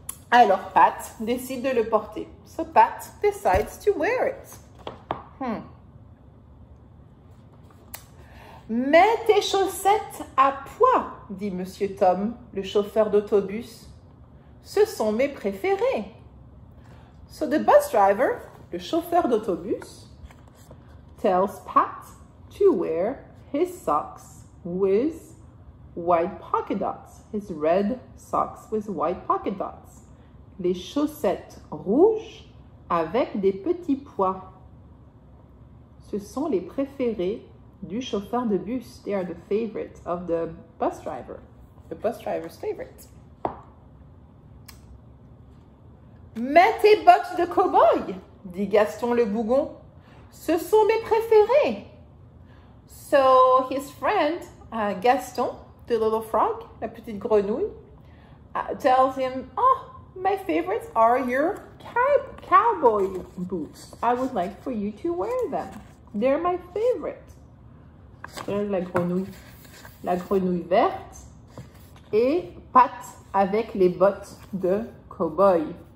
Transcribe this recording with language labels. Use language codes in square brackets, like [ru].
[fr] Alors, Pat décide de le porter. [en] So, Pat decides to wear it. [fr] Mets tes chaussettes à pois, dit Monsieur Tom, le chauffeur d'autobus. Ce sont mes préférées. [en] So, the bus driver, [fr] le chauffeur d'autobus, [en] tells Pat to wear his socks with white pocket dots. His red socks with white pocket dots. [fr] Les chaussettes rouges avec des petits pois. Ce sont les préférés du chauffeur de bus. [en] They are the favorite of the bus driver. The bus driver's favorite. [fr] Mets tes bottes de cow-boy, dit Gaston le bougon. Ce sont mes préférés. [en] So, his friend, Gaston, the little frog, [fr] la petite grenouille, [en] tells him, oh, My favorites are your cowboy boots. I would like for you to wear them. They're my favorite. [fr] C'est la grenouille verte et Pat avec les bottes de cowboy.